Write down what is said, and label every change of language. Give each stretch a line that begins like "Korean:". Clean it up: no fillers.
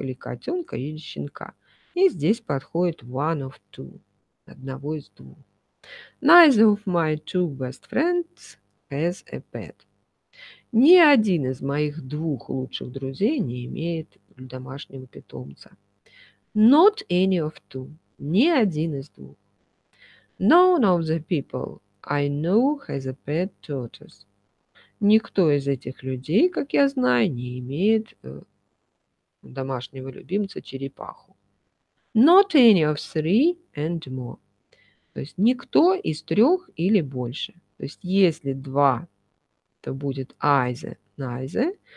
Russian: Или котенка, или щенка. И здесь подходит one of two. Одного из двух.
English: Neither of my two best friends has a pet.
Russian: Ни один из моих двух лучших друзей не имеет домашнего питомца.
English: Not any of two.
Russian: Ни один из двух.
English: None of the people I know has a pet tortoise.
Russian: Никто из этих людей, как я знаю, не имеет домашнего любимца черепаху.
English: Not any of three and more.
Russian: То есть никто из трех или больше. То есть если два, то будет either, neither.